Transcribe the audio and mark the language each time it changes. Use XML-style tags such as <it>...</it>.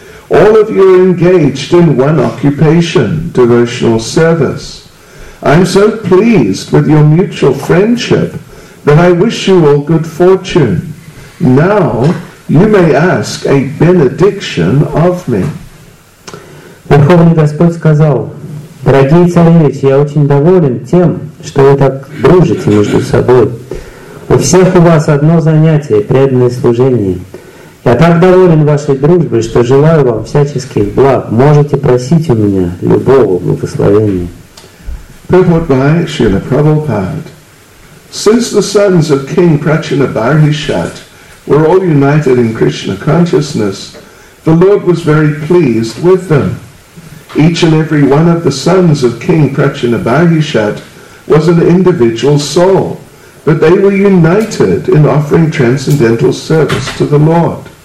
<en>All of you are engaged in one occupation, devotional service. I am so pleased with your mutual friendship that I wish you all good fortune. Now you may ask a benediction of me."</en> <ru>Верховный Господь сказал: «Дорогие царевичи, я очень доволен тем, что вы так дружите между собой. У всех у вас одно занятие — преданное служение. Я так доволен вашей дружбой, что желаю вам всяческих благ. Можете просить у меня любого благословения».</ru> <en>Since the sons of King Prachinabharishat were all united in Krishna consciousness, the Lord was very pleased with them. Each and every one of the sons of King Prachinabharishat was an individual soul, but they were united in offering transcendental service to the Lord.</en>